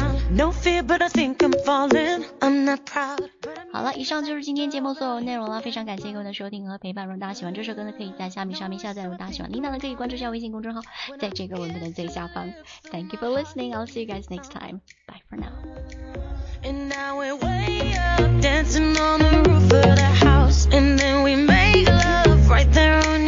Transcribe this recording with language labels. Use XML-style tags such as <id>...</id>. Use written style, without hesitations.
<en>No fear, but I think I'm falling. I'm not proud.</en> <zh>好了，以上就是今天节目所有内容了。非常感谢各位的收听和陪伴。如果大家喜欢这首歌呢，可以在虾米上面下载。如果大家喜欢 Lina 呢，可以关注一下微信公众号，在这个文字的最下方。</zh> <en>Thank you for listening. I'll see you guys next time. Bye for now. And now we're way up, dancing on the roof of the house, and then we make love right there.</en>